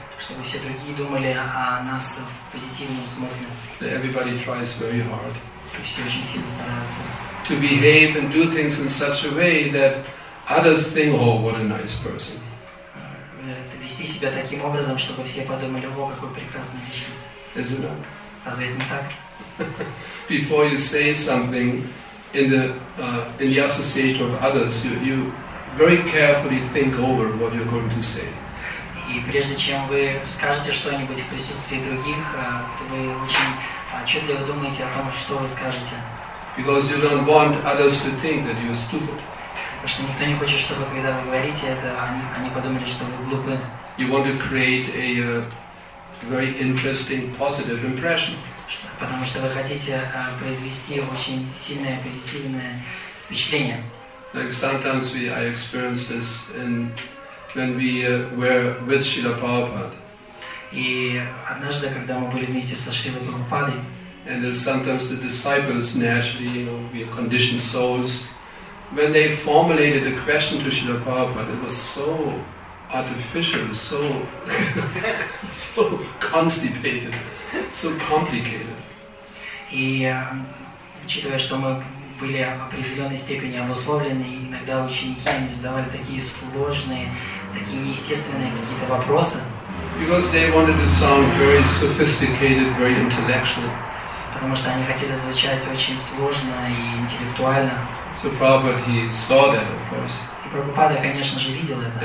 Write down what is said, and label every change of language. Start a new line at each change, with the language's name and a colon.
Russian: Чтобы все другие думали о нас в позитивном смысле.
English: That everybody tries very hard.
Russian: И все очень сильно стараются.
English: To behave and do things in such a way that others think, oh, what a nice person.
Russian: Вести себя таким образом, чтобы все подумали, о, какой прекрасный личность.
English: Is it not?
Russian: Разве это не так?
English: Before you say something in the association of others, you very carefully think over what you're going to say.
Russian: И прежде чем вы скажете что-нибудь в присутствии других, вы очень отчетливо думаете о том, что вы скажете.
English: Because you don't want others to think that you're stupid.
Russian: Потому что никто не хочет, чтобы когда вы говорите это, они подумали, что вы глупы.
English: You want to create a very interesting positive impression.
Russian: Потому что вы хотите произвести очень сильное позитивное впечатление.
English: Like sometimes I experience this when we were with Srila Prabhupada.
Russian: И однажды, когда мы были вместе со Шрилой Прабхупадой.
English: And sometimes the disciples naturally, you know, we are conditioned souls. When they formulated a question to Srila Prabhupada, it was so artificial, so so constipated, so complicated.
Russian: И учитывая, что мы были в определенной степени обусловлены, иногда ученики они задавали такие сложные, такие неестественные какие-то вопросы.
English: Because they wanted to sound very sophisticated, very intellectual.
Russian: Потому что они хотели звучать очень сложно и интеллектуально.
English: So Prabhupada, he saw that, of course.
Russian: И Прабхупада, конечно же, видел это.